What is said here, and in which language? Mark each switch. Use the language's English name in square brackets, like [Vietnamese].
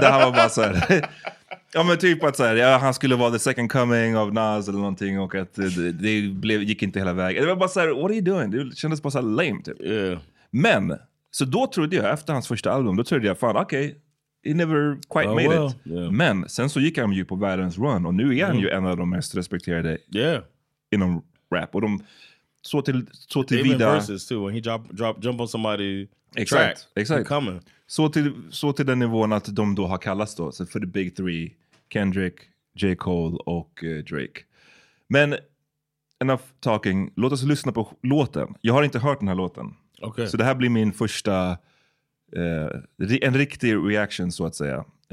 [Swedish] Det här var bara så här. Ja, men typ att så här, han skulle vara [English] the second coming of Nas [Swedish] eller någonting, och att det gick inte hela vägen. Det var bara så här, [English] what are you doing? [Swedish] Det kändes bara så här lame typ. [English] Yeah. [Swedish] Men, så då trodde jag, efter hans första album, då trodde jag, fan okej, [English] he never quite made it. Yeah. [Swedish] Men, sen så gick han ju på världens run, och nu är han ju en av de mest respekterade inom rap. Och de, så till vida. [English] Even verses too, when he jump on somebody exactly. coming. [Swedish] Så till den nivån att de då har kallats då, så för [English] the big three, [Swedish] Kendrick, J. Cole och Drake. Men, [English] enough talking, [Swedish] låt oss lyssna på låten. Jag har inte hört den här låten. [English] Okay. [Swedish] Så det här blir min första, en riktig reaction så att säga.